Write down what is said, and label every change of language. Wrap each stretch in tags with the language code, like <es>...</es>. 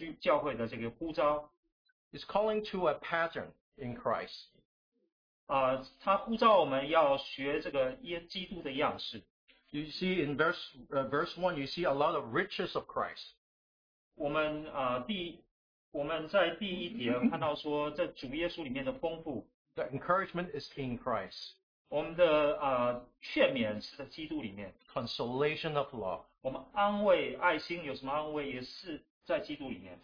<zh>我感觉到这个是主对他的这个教会的这个呼召。</zh> <en>It's calling to a pattern in Christ.</en> <zh>他呼召我们要学这个基督的样式。</zh> <en>You see in verse 1, you see a lot of riches of Christ.</en> <zh>我们在第一节看到说这主耶稣里面的丰富。</zh> <en>The encouragement is in Christ.</en> <zh>我们的劝勉是在基督里面。</zh> <en>Consolation of love.</en> <zh>我们安慰爱心有什么安慰也是在基督里面。</zh>